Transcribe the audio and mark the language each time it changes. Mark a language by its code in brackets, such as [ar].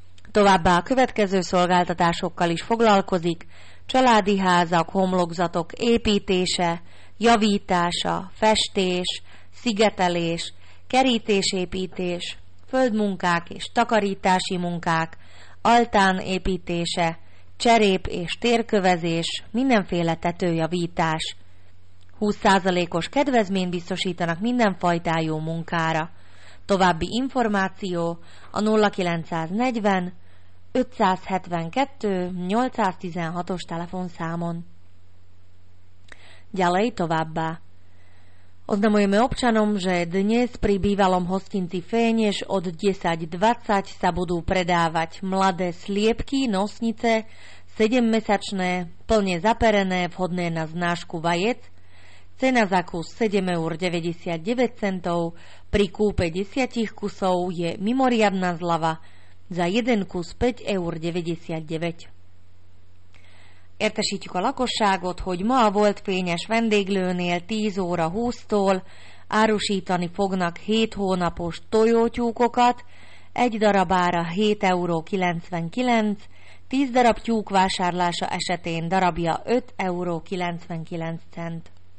[hu] Továbbá a következő szolgáltatásokkal is foglalkozik: családi házak, homlokzatok építése, javítása, festés, szigetelés, kerítésépítés, földmunkák és takarítási munkák, altán építése, cserép és térkövezés, mindenféle tetőjavítás. 20%-os kedvezményt biztosítanak minden fajtájú munkára. További információ a 0940 572 816-os telefonszámon. [sk] Ďalej [hu] továbbá. [sk] Oznamujeme občanom, že dnes pri bývalom hostinci Fénieš od 10.20 sa budú predávať mladé sliepky, nosnice, 7-mesačné, plne zaperené, vhodné na znášku vajec, cena za kus 7,99 €, pri kúpe 10 kusov je mimoriadna zľava, za 1 kus 5,99 €. [hu] Értesítjük a lakosságot, hogy ma a volt fényes vendéglőnél 10 óra 20-tól árusítani fognak 7 hónapos tojótyúkokat, 1 darab ára 7,99 €, 10 darab tyúk vásárlása esetén darabja 5,99 €.